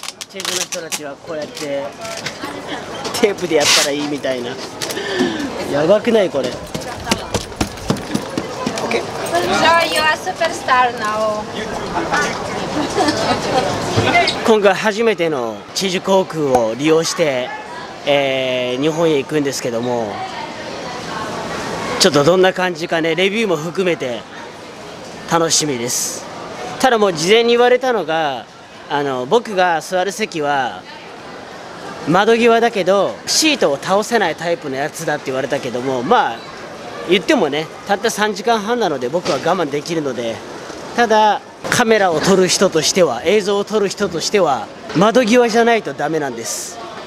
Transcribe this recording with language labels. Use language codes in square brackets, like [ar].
[ja] チェックの人たちはこうやってテープでやったらいいみたいな。やばくないこれ。 [en] OK So you are superstar now. [ja] 今回初めてのチェジュ航空を利用して、日本へ行くんですけども、ちょっとどんな感じかね、レビューも含めて楽しみです。ただもう事前に言われたのが、僕が座る席は窓際だけどシートを倒せないタイプのやつだって言われたけども、まあ言ってもね、たった3時間半なので僕は我慢できるので、ただカメラを撮る人としては、映像を撮る人としては窓際じゃないとダメなんです。